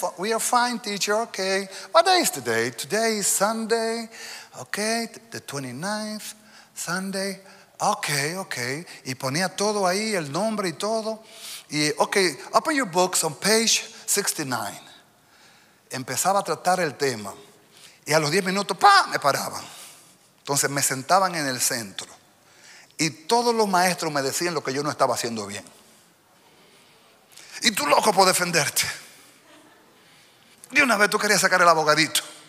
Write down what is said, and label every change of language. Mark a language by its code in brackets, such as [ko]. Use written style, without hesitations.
[en] We are fine, teacher, okay. What day is today? Today is Sunday, okay, the 29th, Sunday, okay, okay. [es] Y ponía todo ahí, el nombre y todo. [en] Y, okay, open your books on page 69. [es] Empezaba a tratar el tema. Y a los 10 minutos, ¡pa! Me paraban. Entonces me sentaban en el centro y todos los maestros me decían lo que yo no estaba haciendo bien. Y tú loco por defenderte. Y una vez tú querías sacar el abogadito.